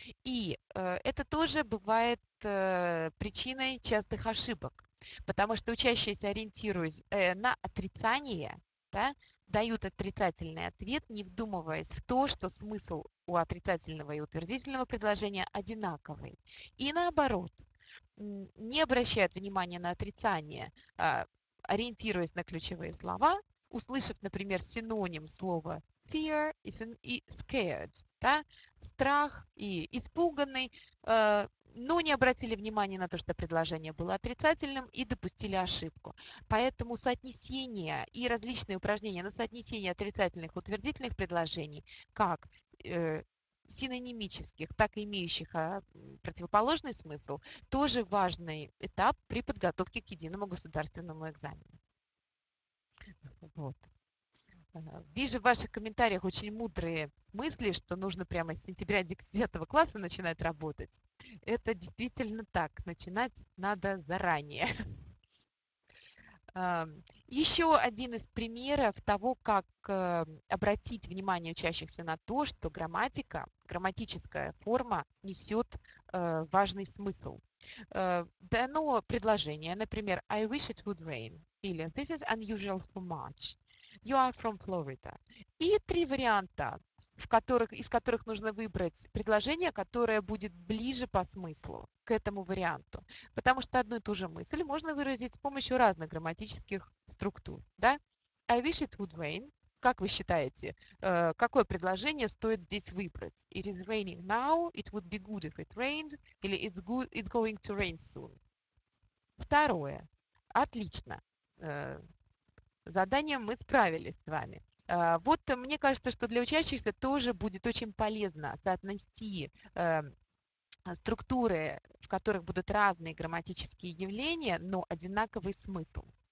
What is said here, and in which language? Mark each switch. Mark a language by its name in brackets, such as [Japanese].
[Russian] И это тоже бывает причиной частых ошибок, потому что учащиеся, ориентируясь на отрицание, да, дают отрицательный ответ, не вдумываясь в то, что смысл у отрицательного и утвердительного предложения одинаковый. И наоборот, не обращают внимания на отрицание, ориентируясь на ключевые слова, услышав, например, синоним слова [English] fear is scared, да? [Russian] Страх и испуганный, но не обратили внимания на то, что предложение было отрицательным и допустили ошибку. Поэтому соотнесение и различные упражнения на соотнесение отрицательных и утвердительных предложений, как синонимических, так и имеющих противоположный смысл, тоже важный этап при подготовке к единому государственному экзамену. Вот. Вижу в ваших комментариях очень мудрые мысли, что нужно прямо с сентября 10 класса начинать работать. Это действительно так. Начинать надо заранее. Еще один из примеров того, как обратить внимание учащихся на то, что грамматика, грамматическая форма несет важный смысл. Дано предложение, например, [English] «I wish it would rain» [Russian] или [English] «This is unusual for March». You are from Florida. [Russian] И три варианта, из которых нужно выбрать предложение, которое будет ближе по смыслу к этому варианту. Потому что одну и ту же мысль можно выразить с помощью разных грамматических структур. [English] Да? I wish it would rain. [Russian] Как вы считаете, какое предложение стоит здесь выбрать? [English] It is raining now. It would be good if it rained. Или it's going to rain soon. [Russian] Второе. Отлично. Заданием мы справились с вами. Вот мне кажется, что для учащихся тоже будет очень полезно соотнести структуры, в которых будут разные грамматические явления, но одинаковый смысл.